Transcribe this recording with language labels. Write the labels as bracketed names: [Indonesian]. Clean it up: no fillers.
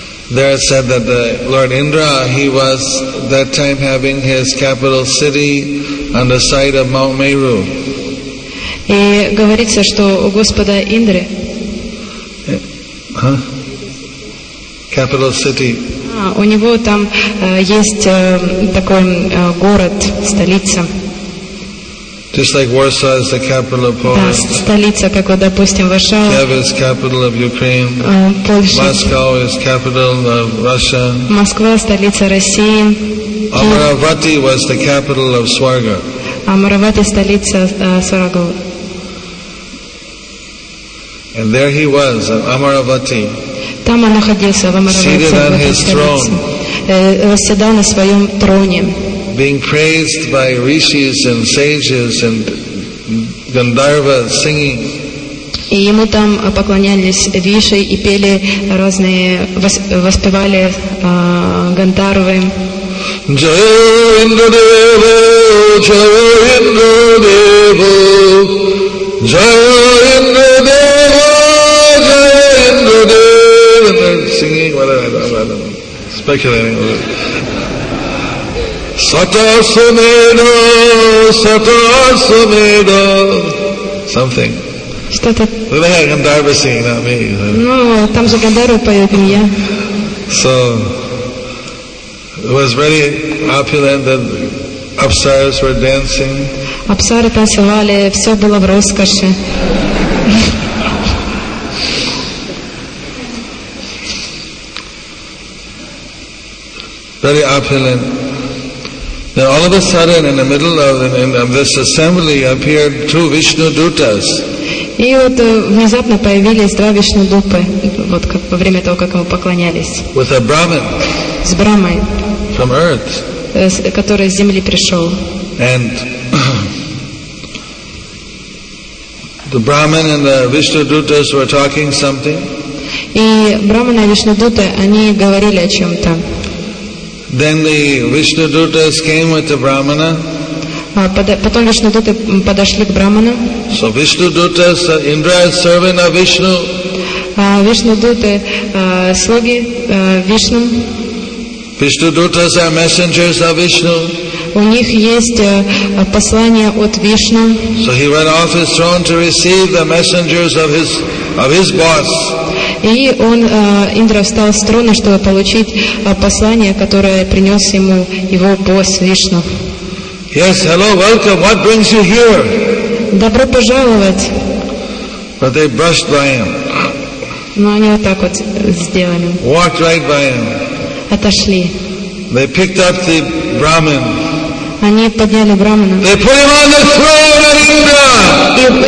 [English] There it said that the Lord Indra, he was that time having his capital city on the side of Mount Meru. [Russian] И говорится, что у Господа Индры. [English] Huh? Capital city. [Russian] У него там есть такой город, столица. [English] Just like Warsaw is the capital of Poland. [Russian] Да, столица, как вот, допустим, Варшава. [English] Kiev is capital of Ukraine. [Russian] Польша. [English] Moscow is capital of Russia. [Russian] Москва столица России. [English] Amaravati was the capital of Swarga. [Russian] Amaravati столица Сварга. [English] And there he was, Amaravati. [Russian] Там он находился в Amaravati. [English] Seated on his throne. [Russian] Восседал на своем троне. [English] Being praised by rishis and sages and Gandharvas singing. [Russian] И ему там поклонялись риши и пели разные, воспевали Гандхарвы. [Sanskrit] Jai Indradeva, Jai Indradeva, Jai Indradeva, Jai Indradeva. [English] And they're singing, I don't know, speculating a little. Satasameda, Satasameda, something. [Russian] Что-то. [English] They had Gandharva singing, not me. [Russian] No, там же Гандхарвы поют, не я. [English] So, it was very opulent that apsaras were dancing. [Russian] Апсары танцевали, все было в роскоши. [English] Very opulent. Then all of a sudden, in the middle of this assembly, appeared two Vishnu Dutas. [Russian] И вот внезапно появились два Вишну Дупы, вот как во время того, как ему поклонялись. [English] With a Brahman. [Russian] С Брахмой. [English] From Earth. [Russian] Который с Земли пришел. [English] And the Brahman and the Vishnu Dutas were talking something. [Russian] И Брахман и Вишну Дуты, они говорили о чем-то. [English] Then the Vishnu Dutas came with the Brahmana. [Russian] Потом Вишну Дуты подошли к Брахману. [English] So Vishnu Dutas, Indra is servant of Vishnu. [Russian] Вишну Дуты слуги Вишну. [English] Vishnu Dutas are messengers of Vishnu. [Russian] У них есть послание от Вишну. [English] So he went off his throne to receive the messengers of his boss. [Russian] И он, Индра, встал с трона, чтобы получить послание, которое принес ему его босс Вишну. [English] Yes, hello, welcome. What brings you here? [Russian] Добро пожаловать. [English] But they brushed by him. [Russian] Но они вот так вот сделали. [English] Walked right by him. [Russian] Отошли. [English] They picked up the Brahmin. [Russian] Они подняли Брахмана. [English] They put him on the throne of Indra.